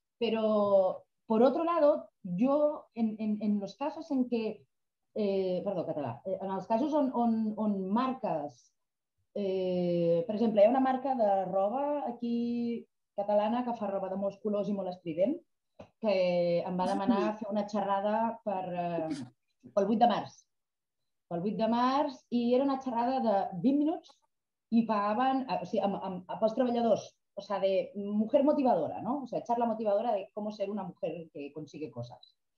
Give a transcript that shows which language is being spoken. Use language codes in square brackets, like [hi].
[es] Pero, por otro lado, yo, en los casos en que, perdón, Catalá, en los casos on marcas, por ejemplo, hay una marca de roba aquí catalana [ca] que fa roba de molts colors i molt estrident, que em va demanar fer una xerrada pel 8 de març. Pel 8 de març, i era una xerrada de 20 minuts i pagaven, o sigui, amb els treballadors, [es] o sea, de mujer motivadora, ¿no? O sea, charla motivadora de cómo ser una mujer que consigue cosas.